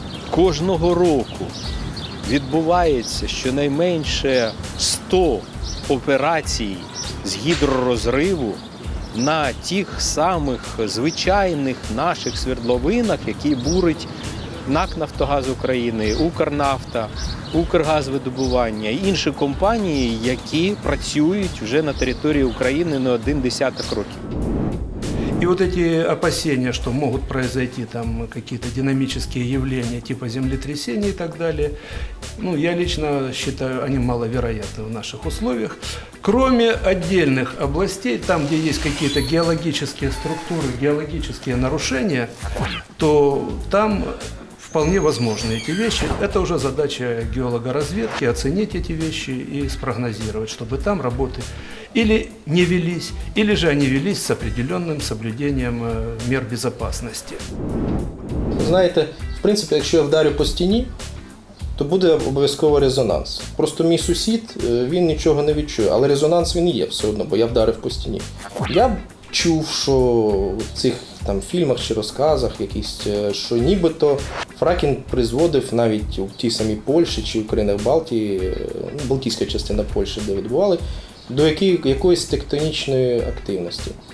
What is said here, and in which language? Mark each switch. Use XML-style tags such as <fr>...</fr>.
<uk>Кожного року відбувається щонайменше 100 операцій з гідророзриву на тих самих звичайних наших свердловинах, які бурить НАК «Нафтогаз України», «Укрнафта», «Укргазвидобування» і інші компанії, які працюють вже на території України не один десяток років.</uk> <ru>И вот эти опасения, что могут произойти там какие-то динамические явления типа землетрясений и так далее, ну, я лично считаю, они маловероятны в наших условиях. Кроме отдельных областей, там, где есть какие-то геологические структуры, геологические нарушения, то там вполне возможны эти вещи. Это уже задача геологоразведки – оценить эти вещи и спрогнозировать, чтобы там работы или не велись, или же они велись с определенным соблюдением мер безопасности. Знаете, в принципе, если я вдарю по стене, то будет обязательно резонанс. Просто мой сусед, он ничего не чувствует,</ru> <uk>але</uk> <ru>резонанс он есть все равно, потому что я</ru> <uk>вдарив</uk> <ru>по стене.</ru> <uk>Я чув, що в цих там фільмах чи розказах якісь, що нібито фракінг призводив навіть у тій самій Польщі чи Україні в Балтії, Балтійська частина Польщі, де відбували, до якоїсь тектонічної активності.</uk>